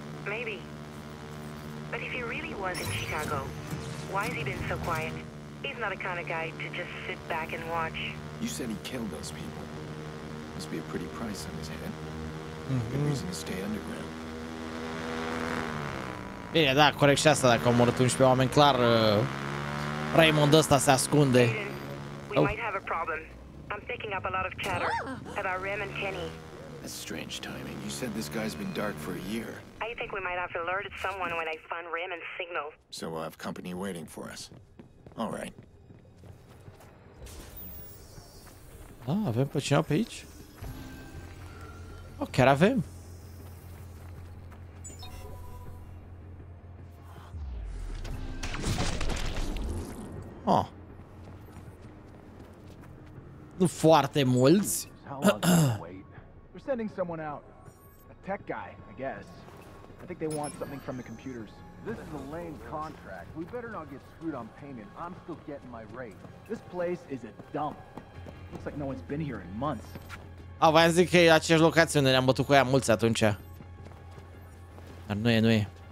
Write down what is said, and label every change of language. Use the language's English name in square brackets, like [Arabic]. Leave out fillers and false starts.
[English] Maybe. But if he really was in Chicago, why has he been so quiet? He's not the kind of guy to just sit back and watch. You said he killed those people. Must be a pretty price on his head. Good reason to stay underground. [Romanian] Bine, da, corect și asta, dacă au murit 11 oameni, clar, Raymond ăsta se ascunde. [English] Aiden, we might have a problem. I'm picking up a lot of chatter about Raymond Kenny. That's strange timing. You said this guy's been dark for a year. I think we might have alerted someone when I find Raymond's signal. So we'll have company waiting for us. All right. [Romanian] Ah, avem pe cineva pe aici? Oh, chiar avem. Oh. Nu foarte mulți. [English] They're sending someone out. A tech guy, I guess. I think they want something from the computers. This is a lame contract. We better not get screwed on payment. I'm still getting my rate. This place is a dump. Looks like no one's been here in months. [Romanian] Ah, v-am zis că e aceeași locație unde ne-am bătut cu ea mulți atunci. Dar nu e, nu e.